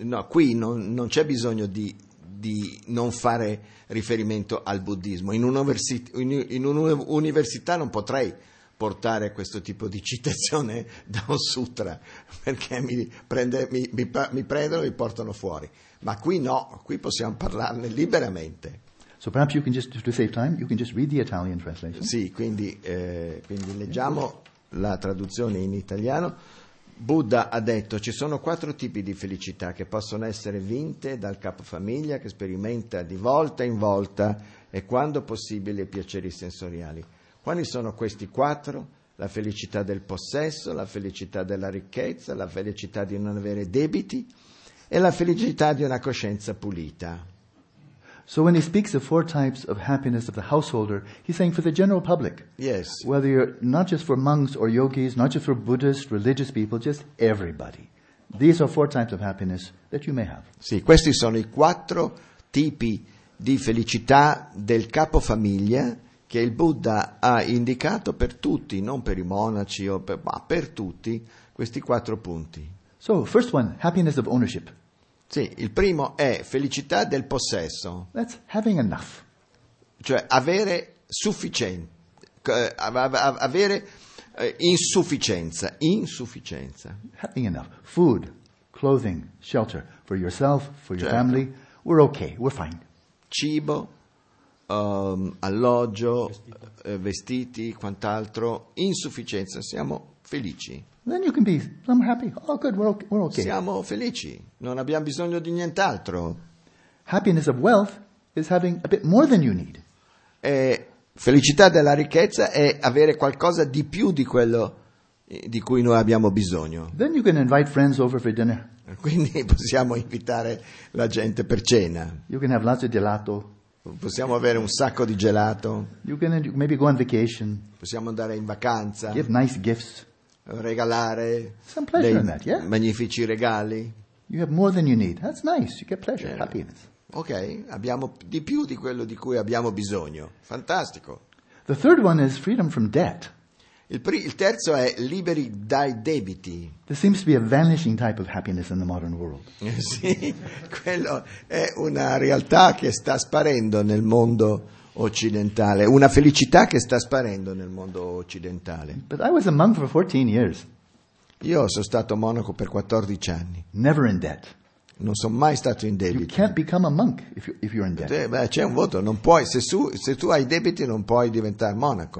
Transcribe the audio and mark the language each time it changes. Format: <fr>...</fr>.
<it>No, qui non c'è bisogno di non fare riferimento al buddismo. In un'università non potrei portare questo tipo di citazione da un sutra, perché mi prendono e mi portano fuori. Ma qui no, qui possiamo parlarne liberamente.</it> <en>So perhaps you can just, to save time, you can just read the Italian translation.</en> <it>Sì, quindi leggiamo... La traduzione in italiano: Buddha ha detto, ci sono quattro tipi di felicità che possono essere vinte dal capofamiglia che sperimenta di volta in volta e quando possibile i piaceri sensoriali. Quali sono questi quattro? La felicità del possesso, la felicità della ricchezza, la felicità di non avere debiti e la felicità di una coscienza pulita.</it> <en>So when he speaks of four types of happiness of the householder, he's saying for the general public. Yes. Whether you're not just for monks or yogis, not just for Buddhist, religious people, just everybody. These are four types of happiness that you may have.</en> <it>Sì, questi sono i quattro tipi di felicità del capofamiglia che il Buddha ha indicato per tutti, non per i monaci, ma per tutti, questi quattro punti.</it> <en>So, first one, happiness of ownership.</en> <it>Sì, il primo è felicità del possesso.</it> <en>That's having enough.</en> <it>Cioè avere sufficiente, avere insufficienza.</it> <en>Having enough. Food, clothing, shelter for yourself, for your family. We're okay, we're fine.</en> <it>Cibo, alloggio, vestiti, quant'altro. Insufficienza, siamo felici.</it> <en>Then you can be, I'm happy, oh good, we're okay.</en> <it>Siamo felici, non abbiamo bisogno di nient'altro.</it> <en>Happiness of wealth is having a bit more than you need.</en> <it>E felicità della ricchezza è avere qualcosa di più di quello di cui noi abbiamo bisogno.</it> <en>Then you can invite friends over for dinner.</en> <it>Quindi possiamo invitare la gente per cena.</it> <en>You can have lots of gelato.</en> <it>Possiamo avere un sacco di gelato.</it> <en>You can maybe go on vacation.</en> <it>Possiamo andare in vacanza.</it> <en>Give nice gifts.</en> <it>Regalare</it> <en>some pleasure in that, yeah?</en> <it>Magnifici regali.</it> <en>You have more than you need. That's nice. You get pleasure, yeah. Happiness.</en> <it>Ok, abbiamo di più di quello di cui abbiamo bisogno. Fantastico.</it> <en>The third one is freedom from debt.</en> <it>Il terzo è liberi dai debiti.</it> <en>There seems to be a vanishing type of happiness in the modern world.</en> <it>Sì, quello è una realtà che sta sparendo nel mondo occidentale, una felicità che sta sparendo nel mondo occidentale.</it> <en>But I was a monk for 14 years.</en> <it>Io sono stato monaco per 14 anni.</it> <en>Never in debt.</en> <it>Non sono mai stato in debito.</it> <en>You can't become a monk if you're in debt.</en> <it>Beh, c'è un voto, non puoi, se tu hai debiti non puoi diventare monaco.</it>